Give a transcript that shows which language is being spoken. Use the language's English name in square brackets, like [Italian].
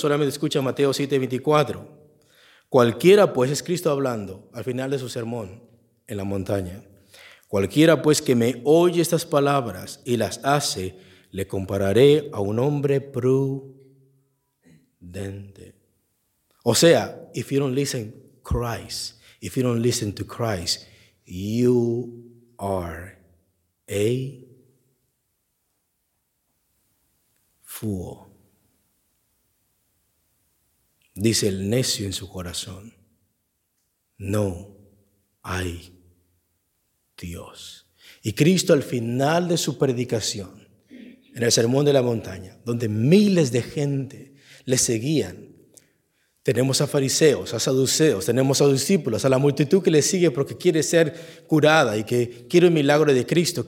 [Spanish] Solamente escucha Mateo 7:24. Cualquiera, pues, es Cristo hablando al final de su sermón en la montaña. Cualquiera, pues, que me oye estas palabras y las hace, le compararé a un hombre prudente. O sea, [English] if you don't listen to Christ, if you don't listen to Christ, you are a fool. [Spanish] Dice el necio en su corazón, no hay Dios. Y Cristo al final de su predicación, en el sermón de la montaña, donde miles de gente le seguían, tenemos a fariseos, a saduceos, tenemos a discípulos, a la multitud que le sigue porque quiere ser curada y que quiere un milagro de Cristo.